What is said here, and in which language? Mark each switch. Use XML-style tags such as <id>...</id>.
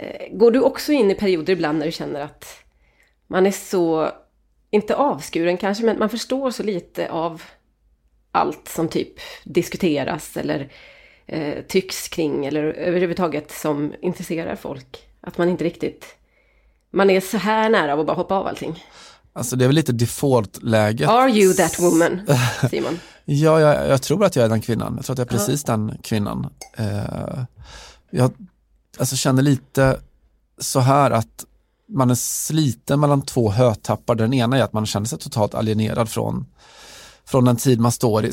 <sv>Går du också in i perioder ibland när du känner att man är så, inte avskuren kanske, men man förstår så lite av allt som typ diskuteras eller tycks kring eller överhuvudtaget som intresserar folk? Att man inte riktigt, man är så här nära av att bara hoppa av allting. Alltså det är väl lite default-läget.</sv> <en>Are you that woman, Simon?</en> <sv>Ja, jag tror att jag är den kvinnan. Jag tror att jag är precis den kvinnan. Jag alltså känner lite så här att man är sliten mellan två hötappar. Den ena är att man känner sig totalt alienerad från den tid man står i.</sv>